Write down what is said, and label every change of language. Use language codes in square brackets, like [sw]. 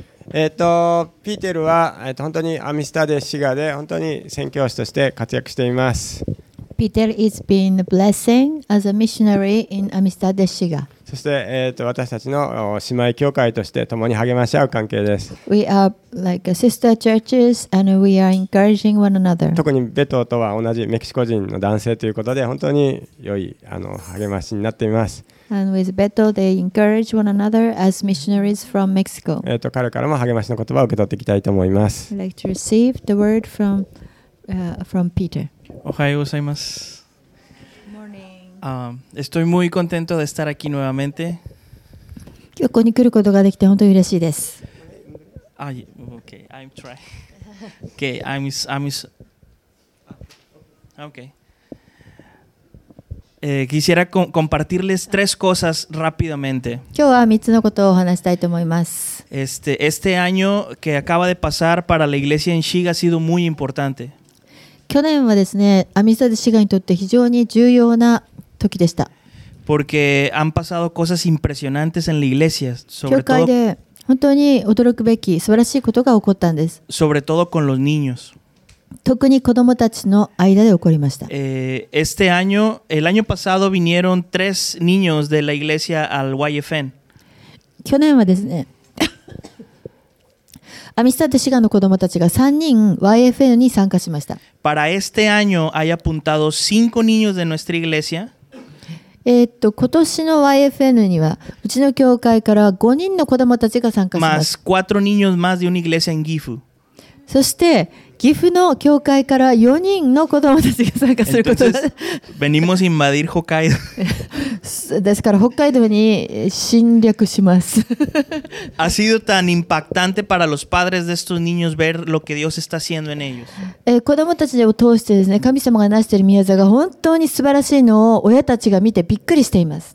[ja] ピーテルは、本当にアミスタで、シガで、本当に宣教師として活躍しています。 [en] ピーテル is being a blessing as a missionary in アミスタで、シガ。 [ja] そして、私たちの姉妹教会として共に励まし合う関係です。 [en] We are like sister churches and we are encouraging one another. [ja] 特にベトとは同じメキシコ人の男性ということで、本当に良い励ましになっています。 [en] And with Beto, they encourage one another as missionaries from Mexico. [ja] 彼からも励ましの言葉を受け取っていきたいと思います。 [en] I'd like to receive the word from, from Peter. [ja] おはようございます。 [es] Estoy muy contento de estar aquí nuevamente. [ja] 今日ここに来ることができて本当に嬉しいです。 [en] Okay, I'm trying. Okay, Okay. [es] quisiera compartirles tres cosas rápidamente. [ja] 今日は3つのことをお話したいと思います。 [es] Este año que acaba de pasar para la iglesia en Shiga ha sido muy importante. [ja] 去年はですね、アミスタでシガにとって非常に重要な時でした。 [es] Porque han pasado cosas impresionantes en la iglesia, sobre todo. [ja] 教会で本当に驚くべき素晴らしいことが起こったんです。 [es] Sobre todo con los niños. [ja] 特に子どもたちの間で起こりました。 [es] Este año, el año pasado vinieron tres niños de la iglesia al YFN. [ja] 去年はですね、アミスタでシガの子どもたちが3人 YFN に参加しました。 [es] Para este año hay apuntado cinco niños de nuestra iglesia. [ja] 今年の YFN にはうちの教会から5人の子どもたちが参加しました [es] 。Más cuatro niños más de una iglesia en Gifu. [ja] そして岐阜の教会から4人の子どもたちが参加すること [es] Venimos invadir Hokkaido. [ja] ですから北海道に侵略します。 [es] Ha sido tan impactante para los padres de estos niños ver lo que Dios está haciendo en ellos. [ja] 子どもたちを通してですね、神様がなしている御業が本当に素晴らしいのを親たちが見てびっくりしています。